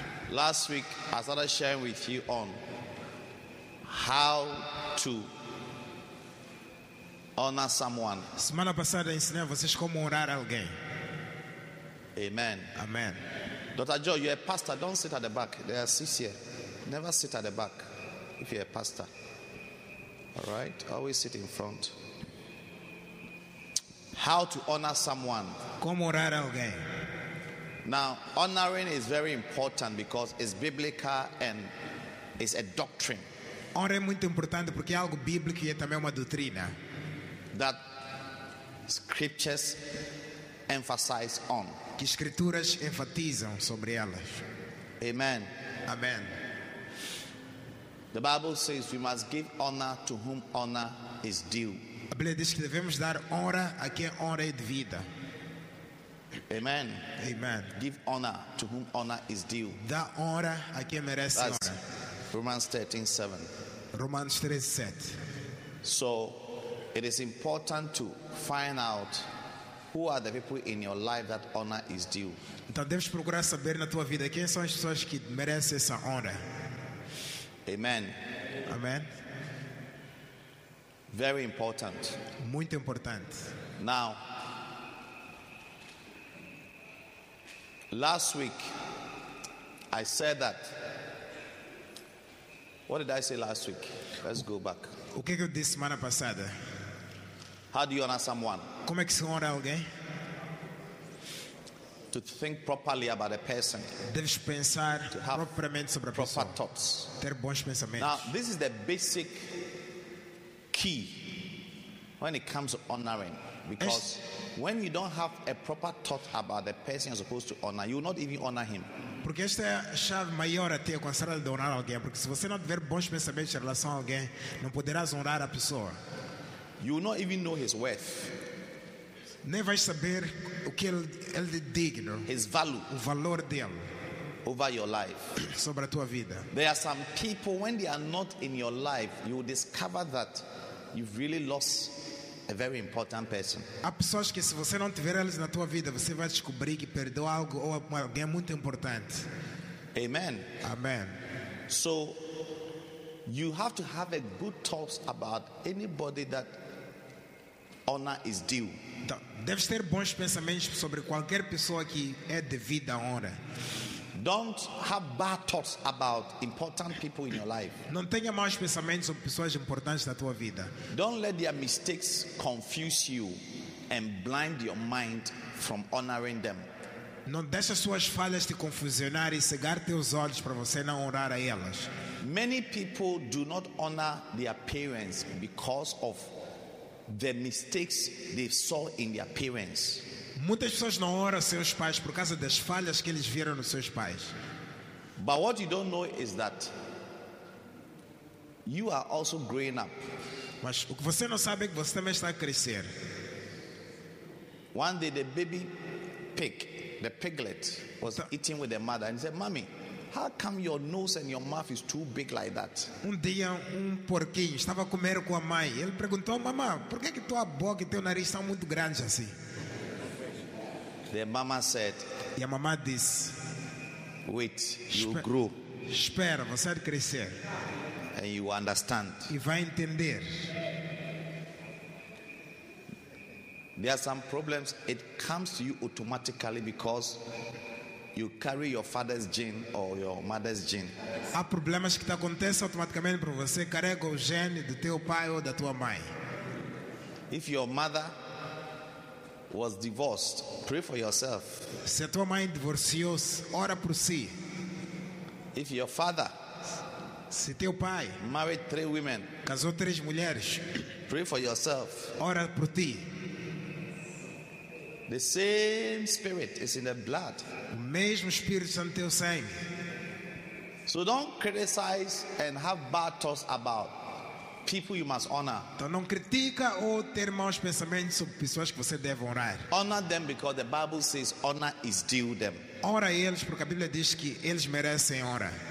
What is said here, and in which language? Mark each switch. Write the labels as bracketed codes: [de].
[en] Last week, I started sharing with you on how to honor someone. [pt] Semana passada ensinei a vocês como honrar alguém. [en] Amen. Amen. Dr. Joe, you're a pastor. Don't sit at the back. There are seats here. Never sit at the back if you're a pastor. All right? Always sit in front. How to honor someone. [pt] Como honrar alguém. [en] Now, honoring is very important because it's biblical and it's a doctrine. [pt] Honra é muito importante porque é algo bíblico e é também uma doutrina. [en] That scriptures emphasize on. [pt] Que escrituras enfatizam sobre elas. [en] Amen. [pt] Amen. [en] The Bible says we must give honor to whom honor is due. [pt] A Bíblia diz que devemos dar honra a quem honra é devida. [en] Amen. [pt] Amen. [en] Give honor to whom honor is due. [pt] Dá honra a quem merece. [en] That's [pt] honra. [en] Romans 13:7. [pt] Romanos 13:7. [en] So, it is important to find out who are the people in your life that honor is due. [pt] Então deves procurar saber na tua vida quem são as pessoas que merecem essa honra. [en] Amen. [pt] Amen. [en] Very important. [pt] Muito importante. [en] Now, last week, I said that. What did I say last week? Let's go back. [pt] O que eu disse semana passada? [en] How do you honor someone? [pt] Como é que se honra alguém? [en] To think properly about a person. [pt] Deves pensar propriamente sobre a pessoa. [en] Proper thoughts. [pt] Ter bons pensamentos. [en] Now, this is the basic key when it comes to honoring. Because when you don't have a proper thought about the person you're supposed to honor, you will not even honor him. [pt] Porque esta é a chave maior até considerar de honrar alguém. Porque se você não tiver bons pensamentos em relação a alguém, não poderás honrar a pessoa. [en] You will not even know his worth. [pt] Nem vais saber o que ele é digno. [en] His value. [pt] O valor dele. [en] Over your life. [pt] Sobre a tua vida. [en] There are some people, when they are not in your life, you will discover that you've really lost a very important person. [pt] Há pessoas que se você não tiver elas na tua vida, você vai descobrir que perdeu algo ou alguém muito importante. [en] Amen. [pt] Amen. [en] So, you have to have a good thoughts about anybody that honor is due. [pt] Então, deves ter bons pensamentos sobre qualquer pessoa que é devida honra. [en] Don't have bad thoughts about important people in your life. [pt] Não tenha maus pensamentos sobre pessoas importantes na tua vida. [en] Don't let their mistakes confuse you and blind your mind from honoring them. [pt] Não deixe suas falhas te confusionar e cegar teus olhos para você não honrar a elas. [en] Many people do not honor their parents because of the mistakes they saw in their parents. [pt] Muitas pessoas não honram seus pais por causa das falhas que eles viram nos seus pais. [en] But what you don't know is that you are also growing up. [pt] Mas o que você não sabe é que você também está a crescer. [en] One day the baby pig, the piglet, was eating with the mother and said, "Mommy, how come your nose and your mouth is too big like that?" [pt] Um dia um porquinho estava a comer com a mãe. Ele perguntou: "Mamã, por que que tua boca e teu nariz são muito grandes assim?" [en] The mama said, [pt] e a mamã disse, [en] "Wait, you grow. [pt] Espera, você vai crescer. [en] And you understand." [pt] E vai entender. [en] There are some problems. It comes to you automatically because you carry your father's gene or your mother's gene. [pt] Há problemas que te acontecem automaticamente para você carrega o gene do teu pai ou da tua mãe. [en] If your mother was divorced, pray for yourself. [pt] Se tua mãe divorciou-se, ora por si. [en] If your father, [pt] se teu pai, [en] married three women, [pt] casou três mulheres, [en] pray for yourself. [pt] Ora por ti. [en] The same spirit is in the blood. [pt] O mesmo espírito está no teu sangue. [en] So don't criticize and have bad thoughts about people you must honor. [pt] Então não critica ou ter maus pensamentos sobre pessoas que você deve honrar. [en] Honor them because the Bible says honor is due them. [pt] Honra eles porque a Bíblia diz que eles merecem honra.